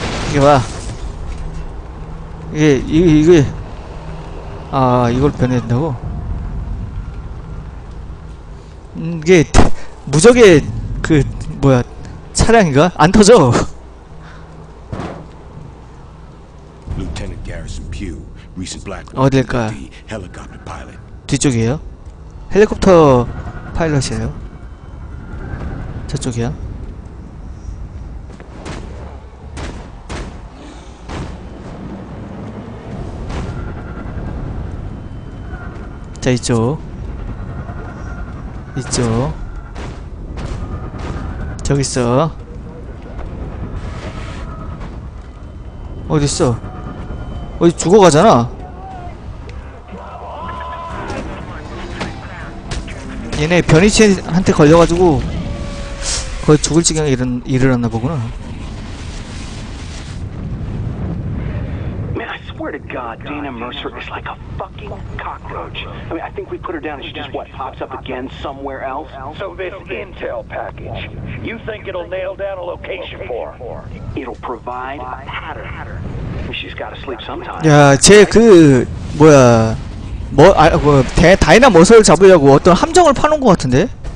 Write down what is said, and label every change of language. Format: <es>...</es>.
<ko>이게 봐. 이게 아 이걸 변해준다고? 이게 무적의 그 뭐야 차량인가? 안 터져.</ko> <en>Lieutenant Garrison Pugh, recent black.</en> <ko>어딜까?</ko> <en>Helicopter pilot.</en> <ko>뒤쪽이에요? 헬리콥터 파일럿이에요? 저쪽이야? 자 이쪽 저기 있어. 어디 있어? 어디 죽어가잖아. 얘네 변이체한테 걸려가지고 거의 죽을 지경에 이르렀나 보구나.</ko> <en>God, Dana Mercer is like a fucking cockroach. I mean, I think we put her down and she just, what, pops up again somewhere else? So this intel package, you think it'll nail down a location for her? It'll provide a pattern. She's gotta sleep sometime.</en> <ko>야, 쟤 그, 뭐야, 뭐, 아, 뭐, 다이나 머서를 잡으려고 어떤 함정을 파놓은 것 같은데?</ko>